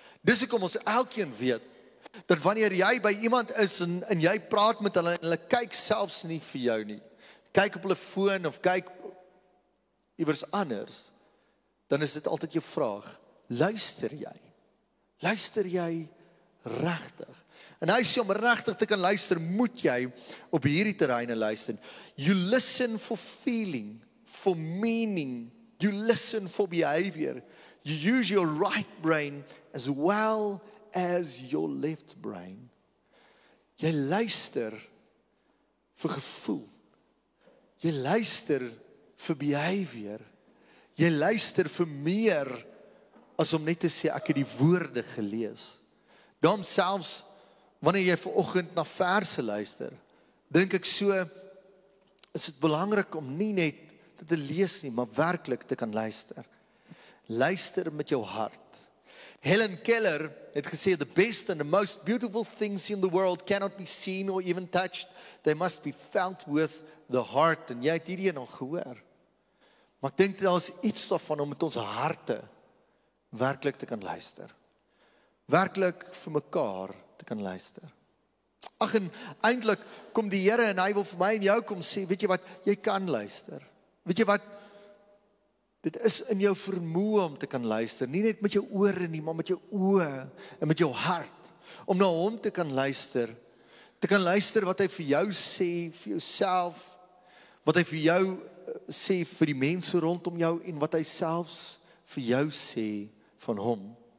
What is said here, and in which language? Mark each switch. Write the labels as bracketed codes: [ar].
[af] Dis hoekom ons elkeen weet, dat wanneer jy by iemand is, en jy praat met hulle, en hulle kyk selfs nie vir jou nie, kyk op hulle foon, of kyk iewers anders, dan is dit altyd jou vraag, luister jy? Luister jy regtig? En hy sê, om regtig te kan luister, moet jy op hierdie terreine luister. [en] You listen for feeling, for meaning, you listen for behavior, you use your right brain as well as your left brain. [af] Jy luister vir gevoel. Jy luister vir behavior. Jy luister vir meer as om net te sê, ek het die woorde gelees. Daarom selfs, wanneer jy vanoggend na verse luister, dink ek so, is het belangrik om nie net dit te lees nie, maar werklik te kan luister. Luister met jou hart. [en] Helen Keller [af] het gesê, [en] the best and the most beautiful things in the world cannot be seen or even touched. They must be felt with the heart. [af] En jy het hierdie nog gehoor. Maar ek denk dat daar is iets daarvan om met ons harte werklik te kan luister. Werklik vir mekaar te kan luister. Ach, en eindelijk kom die Here en hy wil vir my en jou kom sê, weet jy wat, jy kan luister. Weet jy wat, Dit is in jou vermoë om te kan luister, nie net met jou ore nie, maar met jou oë en met jou hart, om na hom te kan luister wat hy vir jou sê, vir jouself, wat hy vir jou sê vir die mense rondom jou, en wat hy selfs vir jou sê van hom.